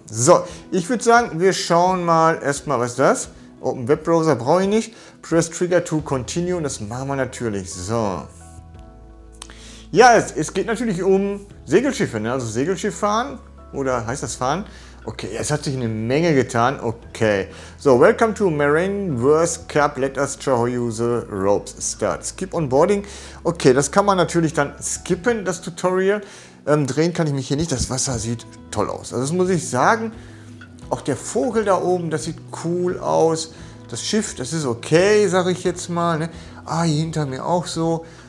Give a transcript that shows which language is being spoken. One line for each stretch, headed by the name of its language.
German: So, ich würde sagen, wir schauen mal erstmal, was ist das? Open Webbrowser brauche ich nicht.
English: Press Trigger to Continue
German: und das machen wir natürlich. So. Ja, es geht natürlich um Segelschiffe, ne? Also Segelschiff fahren oder heißt das fahren? Okay, es hat sich eine Menge getan, okay.
English: So, welcome to Marineworth Cup, let us show you the ropes. Start, skip onboarding.
German: Okay, das kann man natürlich dann skippen, das Tutorial. Drehen kann ich mich hier nicht, das Wasser sieht toll aus. Also das muss ich sagen, auch der Vogel da oben, das sieht cool aus. Das Schiff, das ist okay, sage ich jetzt mal, ne? Ah, hier hinter mir auch so.